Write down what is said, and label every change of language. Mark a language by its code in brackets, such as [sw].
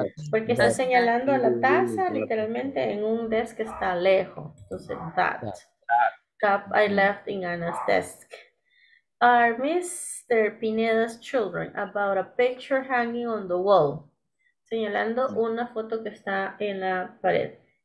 [es] Porque está señalando a la taza literalmente en un desk que está lejos. [en] Entonces, that cup I left in Anna's desk. Are Mr. Pineda's children about a picture hanging on the wall? [es] Señalando una foto que está en la pared.